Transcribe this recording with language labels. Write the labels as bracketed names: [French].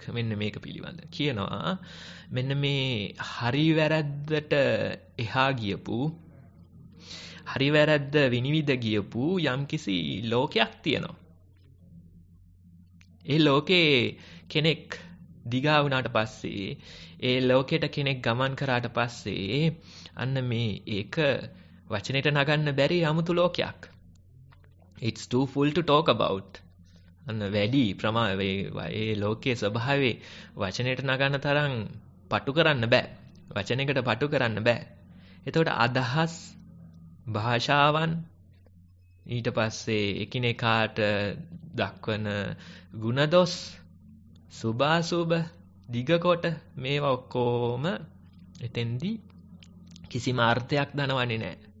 [Sinhala] මෙන්න මේක පිළිබඳ කියනවා. මෙන්න මේ හරි වැරද්දට එහා ගියපු, හරි වැරද්ද විනිවිද ගියපු යම්කිසි ලෝකයක් තියෙනවා. ඒ ලෝකේ කෙනෙක් දිගා වුණාට පස්සේ, ඒ ලෝකෙට කෙනෙක් ගමන් කරාට පස්සේ අන්න මේ ඒක වචනෙට නගන්න බැරි අමුතු ලෝකයක්. [English] It's too full to talk about. [Sinhala] අන්න වැඩි ප්‍රමා ඒ ලෝකයේ ස්වභාවේ වචනයට නගන්න තරම් පටු කරන්න බෑ. වචනයකට පටු කරන්න බෑ. එතකොට අදහස්, භාෂාවන්, ඊට පස්සේ එකිනෙකාට දක්වන ගුණදොස්, සුභාසුබ, දිගකොට, මේවා ඔක්කෝම එතෙන්දී කිසිම අර්ථයක් දනවන්නේ නෑ.